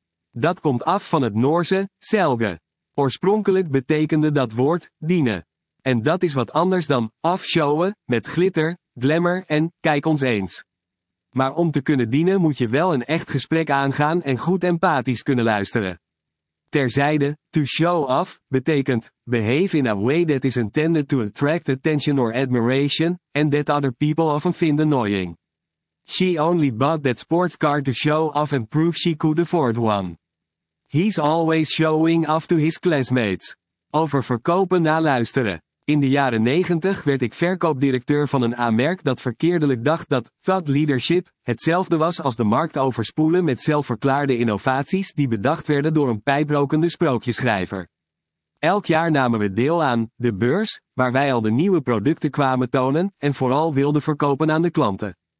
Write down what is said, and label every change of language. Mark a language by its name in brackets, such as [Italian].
[Dutch] Dat komt af van het Noorse selge. Oorspronkelijk betekende dat woord dienen. En dat is wat anders dan afshowen met glitter, glamour en kijk ons eens. Maar om te kunnen dienen moet je wel een echt gesprek aangaan en goed empathisch kunnen luisteren. Terzijde, [English] to show off, [Dutch] betekent, [English] behave in a way that is intended to attract attention or admiration, and that other people often find annoying. She only bought that sports car to show off and prove she could afford one. He's always showing off to his classmates. [Dutch] Over verkopen na luisteren. In de jaren 90 werd ik verkoopdirecteur van een A-merk dat verkeerdelijk dacht dat thought leadership hetzelfde was als de markt overspoelen met zelfverklaarde innovaties die bedacht werden door een pijprokende sprookjeschrijver. Elk jaar namen we deel aan de beurs, waar wij al de nieuwe producten kwamen tonen en vooral wilden verkopen aan de klanten.